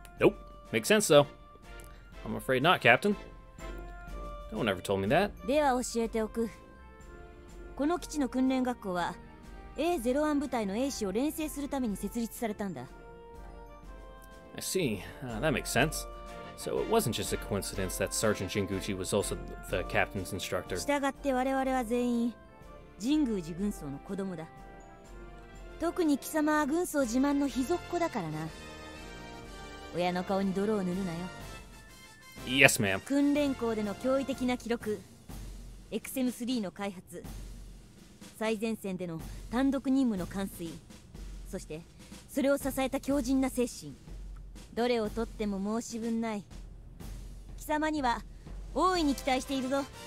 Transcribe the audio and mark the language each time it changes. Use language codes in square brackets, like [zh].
[en] Nope. Makes sense, though. I'm afraid not, Captain. No one ever told me that. [ja] では教えておく。この基地の訓練学校はA01部隊のエースを練成するために設立されたんだ。 [en] I see. That makes sense. So it wasn't just a coincidence that Sergeant Jinguji was also the captain's instructor. [ja] 従って我々は全員神宮寺軍曹の子供だ。特に貴様は軍曹自慢の秘蔵っ子だからな。親の顔に泥を塗るなよ。 [en] Yes, ma'am. [ja] 訓練校での驚異的な記録 XM3の開発 最前線での単独任務の完遂 そしてそれを支えた強靭な精神 どれをとっても申し分ない 貴様には大いに期待しているぞ